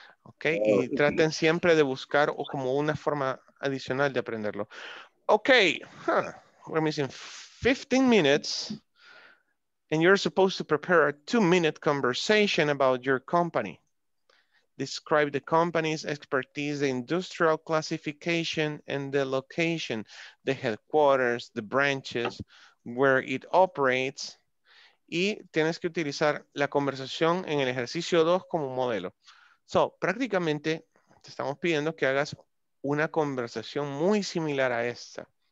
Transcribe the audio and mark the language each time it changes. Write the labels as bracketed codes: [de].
[es] Okay, y traten siempre de buscar o como una forma adicional de aprenderlo. Okay, huh. [en] We're missing 15 minutes and you're supposed to prepare a 2-minute conversation about your company. Describe the company's expertise, the industrial classification and the location, the headquarters, the branches, where it operates. [es] Y tienes que utilizar la conversación en el ejercicio 2 como modelo. So, prácticamente te estamos pidiendo que hagas una conversación muy similar a esta.